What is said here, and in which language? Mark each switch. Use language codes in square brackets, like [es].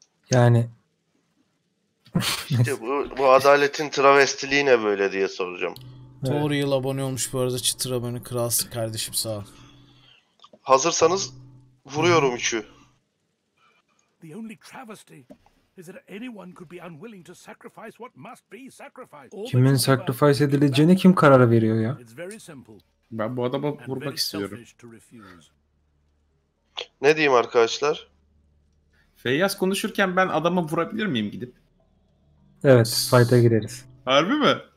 [tr] Yani. İşte bu adaletin travestiliği ne böyle diye soracağım. Evet. Doğru yıl abone olmuş bu arada çıtır abone kralsın kardeşim sağ ol. Hazırsanız vuruyorum 3'ü. [en] The only travesty. Is there anyone could be unwilling to sacrifice what must be sacrificed? [tr] Kimin sacrifice edileceğini kim karar veriyor ya? Ben bu adama vurmak istiyorum. Ne diyeyim arkadaşlar? Feyyaz konuşurken ben adama vurabilir miyim gidip? Evet, fight'a gireriz. Harbi mi?